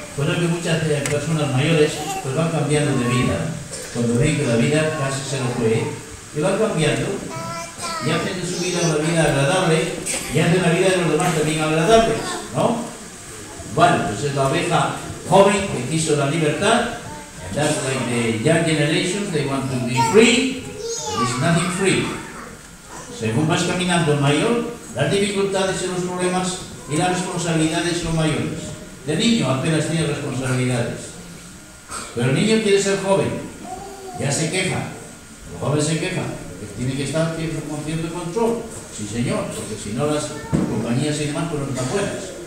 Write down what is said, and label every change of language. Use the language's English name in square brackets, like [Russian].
[Spanish] Por eso que muchas personas mayores pues van cambiando de vida. Cuando ven que la vida casi se lo fue, y van cambiando. Y hacen de su vida una vida agradable y hacen la vida de los demás también agradable, ¿no? Bueno, pues es la oveja joven que quiso la libertad. [English] That's like the young generation, they want to be free. There is nothing free. [Spanish] Según vas caminando mayor, las dificultades y los problemas y las responsabilidades son mayores. De niño apenas tiene responsabilidades. Pero el niño quiere ser joven. Ya se queja. El joven se queja. Tiene que estar con cierto control, sí señor, porque si no las compañías y demás pues no están buenas.